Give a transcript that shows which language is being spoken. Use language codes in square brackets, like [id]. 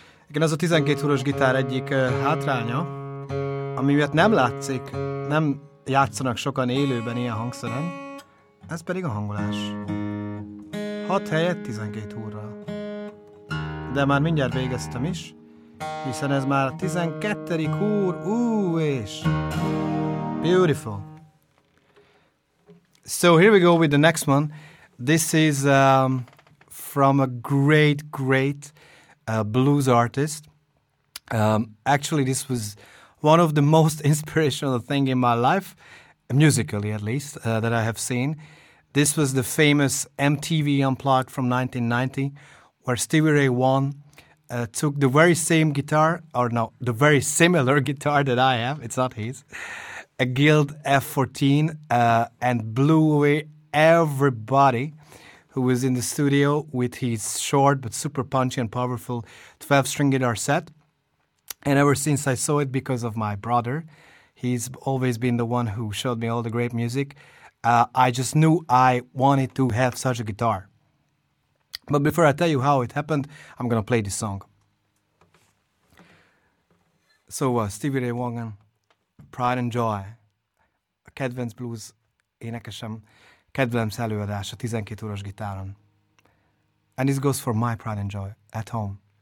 [hu] Igen, az a 12 húros gitár egyik hátránya, ami miatt nem látszik, nem játszanak sokan élőben ilyen hangszeren, ez pedig a hangolás. 6 helyett 12 húrral. De már mindjárt végeztem is, hiszen ez már a 12. húr, és beautiful. [en] So here we go with the next one. This is from a great blues artist. Actually, this was one of the most inspirational thing in my life, musically at least, that I have seen. This was the famous MTV Unplugged from 1990, where Stevie Ray Vaughan took the very same guitar, or no, the very similar guitar that I have, it's not his, a Guild F14, and blew away everybody who was in the studio with his short but super punchy and powerful 12-string guitar set. And ever since I saw it because of my brother, he's always been the one who showed me all the great music, I just knew I wanted to have such a guitar. But before I tell you how it happened, I'm going to play this song. [hu] So Stevie Ray Vaughan, Pride and Joy, a kedvenc blues énekesem, kedvenc előadása 12 órás gitáron. [en] And this goes for my pride and joy at home.